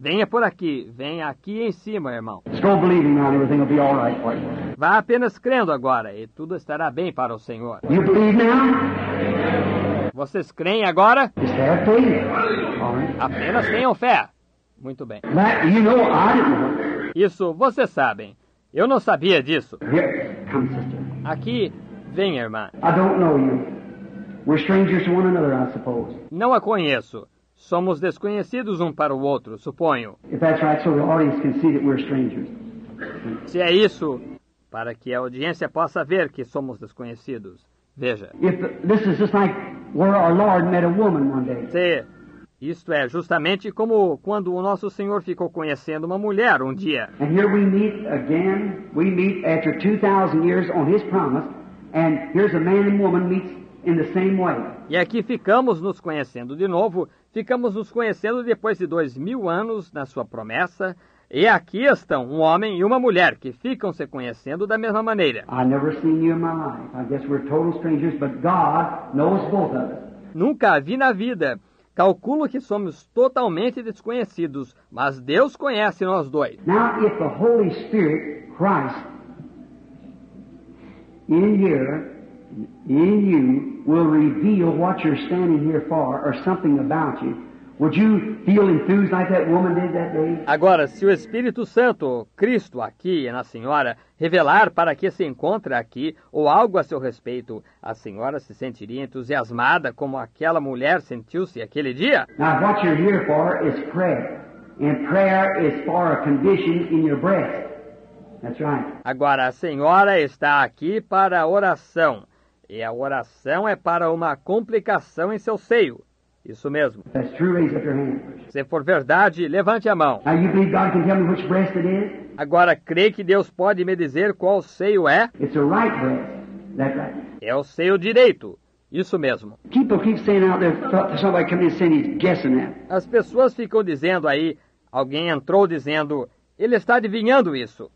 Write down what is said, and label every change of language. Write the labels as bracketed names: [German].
[Portuguese] venha por aqui. Venha aqui em cima, irmão. [English] Just go believing now, everything will be all right for you. [Portuguese] Vá apenas crendo agora e tudo estará bem para o Senhor. [English] You believe now? [Portuguese] Vocês creem agora? [English] Is that faith? All right. [Portuguese] Apenas tenham fé. Muito bem. [English] That, you know, I... [Portuguese] Isso vocês sabem. Eu não sabia disso. [English] Here, come, sister. [Portuguese] Aqui vem, irmã. [English] I don't know you. We're strangers to one another, I suppose. [Portuguese] Não a conheço. Somos desconhecidos um para o outro, suponho. [English] If that's right, so the audience can see that we're strangers. [Portuguese] Se é isso, para que a audiência possa ver que somos desconhecidos. Veja. [English] If this is just like where our Lord met a woman one day. [Portuguese] Se isto é justamente como quando o nosso Senhor ficou conhecendo uma mulher um dia. [English] And here we meet again. We meet after 2,000 years on his promise. And here's a man and woman meets in the same way. [Portuguese] E aqui ficamos nos conhecendo de novo. Ficamos nos conhecendo depois de 2,000 anos na sua promessa. E aqui estão um homem e uma mulher que ficam se conhecendo da mesma maneira. [English] I've never seen you in my life. I guess we're total strangers, but God knows both of us. [Portuguese] Nunca a vi na vida. Calculo que somos totalmente desconhecidos, mas Deus conhece nós dois. [English] Now, if the Holy Spirit, Christ, in here, in you, will reveal what you're standing here for or something about you, would you feel enthused like that woman did that day? [Portuguese] Agora, se o Espírito Santo, Cristo, aqui e na senhora, revelar para que se encontra aqui ou algo a seu respeito, a senhora se sentiria entusiasmada como aquela mulher sentiu-se aquele dia? [English] Now, what you're here for is prayer. And prayer is for a condition in your breast. That's right. [Portuguese] Agora, a senhora está aqui para a oração. E a oração é para uma complicação em seu seio. Isso mesmo. [English] That's true, raise up your hand. [Portuguese] Se for verdade, levante a mão. [English] Now you believe God can tell me which breast it is? [Portuguese] Agora, crê que Deus pode me dizer qual seio é? [English] It's the right breast. That's right. [Portuguese] É o seio direito. Isso mesmo. [English] People keep saying out there, somebody comes in saying he's guessing that. [Portuguese] As pessoas ficam dizendo aí, alguém entrou dizendo, ele está adivinhando isso.